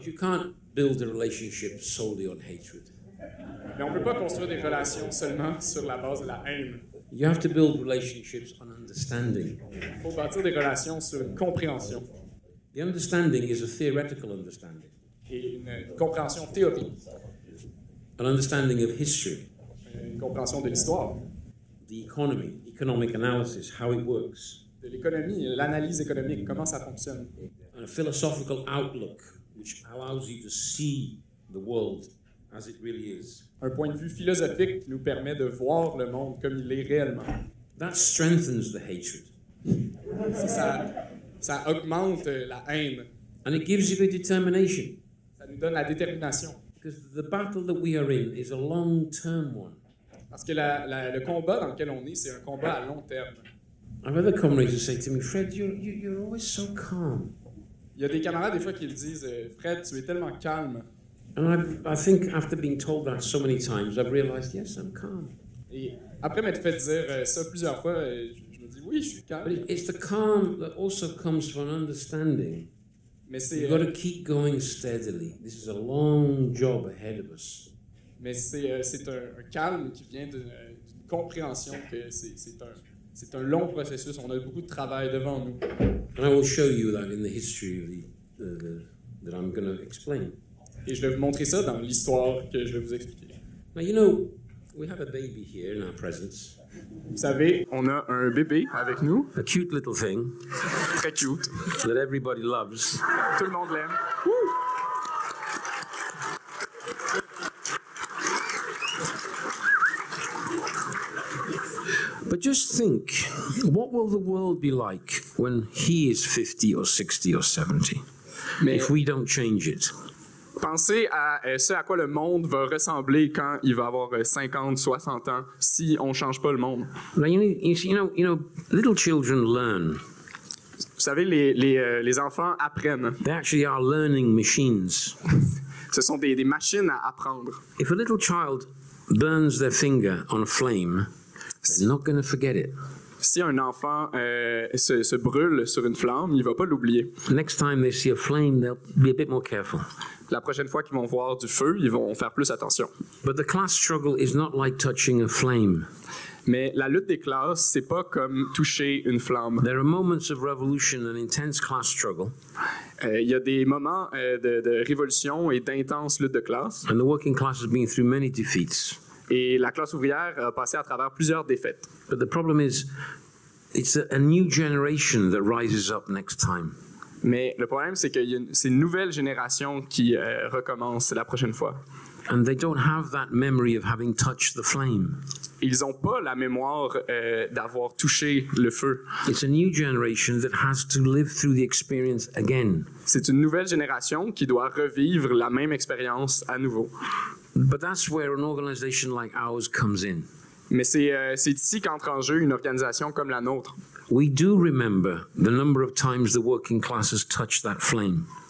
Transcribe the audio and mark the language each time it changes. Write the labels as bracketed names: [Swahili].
[English] You can't build a relationship solely on hatred. [French] Mais on ne peut pas construire des relations seulement sur la base de la haine. [English] You have to build relationships on understanding. [French] Il faut bâtir des relations sur une compréhension. [English] The understanding is a theoretical understanding. [French] Et une compréhension théorique. [English] An understanding of history. [French] Une compréhension de l'histoire. [English] The economy, economic analysis, how it works. [French] De l'économie, l'analyse économique, comment ça fonctionne. [English] And a philosophical outlook which allows you to see the world as it really is. [French] Un point de vue philosophique qui nous permet de voir le monde comme il est réellement. [English] That strengthens the hatred. [French] Ça augmente la haine. [English] And it gives you the determination. [French] Ça nous donne la détermination. [English] Because the battle that we are in is a long-term one. [French] Parce que le combat dans lequel on est, c'est un combat à long terme. [English] I've had a comrade say to me, Fred, you're always so calm. [French] Il y a des camarades des fois qui le disent, Fred, tu es tellement calme. [English] And I think after being told that so many times, I've realized, yes, I'm calm. [French] Et après m'être fait dire ça plusieurs fois, je me dis, oui, je suis calme. [English] But it's the calm that also comes from understanding. [French] Mais c'est, [English] you've got to keep going steadily. This is a long job ahead of us. [French] Mais c'est un calme qui vient d'une compréhension que c'est un long processus. On a beaucoup de travail devant nous. [English] And I will show you that in the history of the that I'm going to explain. [French] Et je vais vous montrer ça dans l'histoire que je vais vous expliquer. [English] Now you know, we have a baby here in our presence. [French] Vous savez, on a un bébé avec nous. [English] A cute little thing. [French] Très cute. [English] That everybody loves. [French] Tout le monde l'aime. [English] But just think, what will the world be like when he is 50 or 60 or 70? [French] Mais [English] if we don't change it. [French] Pensez à ce à quoi le monde va ressembler quand il va avoir 50, 60 ans si on change pas le monde. [English] You know, little children learn. [French] Vous savez, les enfants apprennent. [English] They actually are learning machines. [French] Ce sont des machines à apprendre. [English] If a little child burns their finger on a flame, they're not going to forget it. [French] Si un enfant se brûle sur une flamme, il va pas l'oublier. [English] Next time they see a flame, they'll be a bit more careful. [French] La prochaine fois qu'ils vont voir du feu, ils vont faire plus attention. [English] But the class struggle is not like touching a flame. [French] Mais la lutte des classes, c'est pas comme toucher une flamme. [English] There are moments of revolution and intense class struggle. [French] Y a des moments de révolution et d'intense lutte de classe. [English] And the working class has been through many defeats. [French] Et la classe ouvrière a passé à travers plusieurs défaites. [English] But the problem is, it's a new generation that rises up next time. [French] Mais le problème, c'est qu'il y a une nouvelle génération qui recommence la prochaine fois. [English] And they don't have that memory of having touched the flame. [French] Ils n'ont pas la mémoire d'avoir touché le feu. [English] It's a new generation that has to live through the experience again. [French] C'est une nouvelle génération qui doit revivre la même expérience à nouveau. [English] But that's where an organization like ours comes in. [French] Mais c'est ici qu'entre en jeu une organisation comme la nôtre. [English] We do remember the number of times the working class has touched that flame.